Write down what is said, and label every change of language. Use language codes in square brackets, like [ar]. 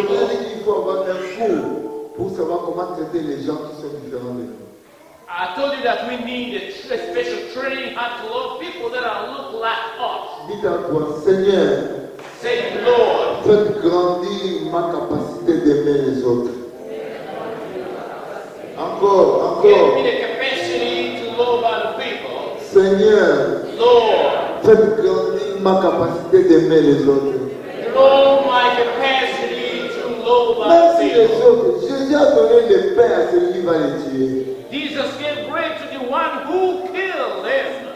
[fr] Je vous ai dit qu'il faut avoir un cours pour savoir comment traiter les gens qui sont différents de nous. [en] I told you that we need a special training how to love people that are look like us. [fr] Dites à toi, Seigneur. [en] Say, Lord. [fr] Faites grandir ma capacité d'aimer les autres. Encore, encore. [en] Give me the capacity to love other people. [fr] Seigneur, [en] Lord, [fr] faites grandir ma capacité d'aimer les autres. [en] Grow my capacity [fr] a donné le paix à celui qui va le tuer. [en] Jesus gave bread to the one who killed him.